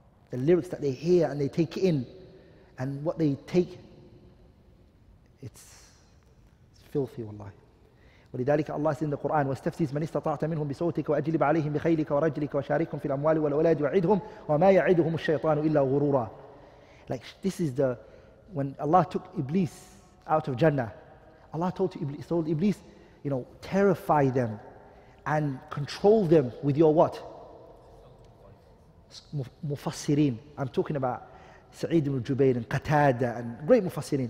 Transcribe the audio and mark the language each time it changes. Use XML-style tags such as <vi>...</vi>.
<en>The lyrics that they hear and they take in, and what they take, it's filthy, wallahi.</en> <ar>ولذلك الله سيد القرآن واستفزز من استطعت منهم بصوتك وأجلب عليهم بخيلك ورجلك وشاركهم في الأموال والأولاد وعدهم وما يعدهم الشيطان إلا غرورا.</ar> <en>Like this is the when Allah took Iblis out of Jannah, Allah told Iblis, you know, terrify them and control them with your what? مفسرين. I'm talking about سعيد بن جبير and Qatada and great مفسرين.</en>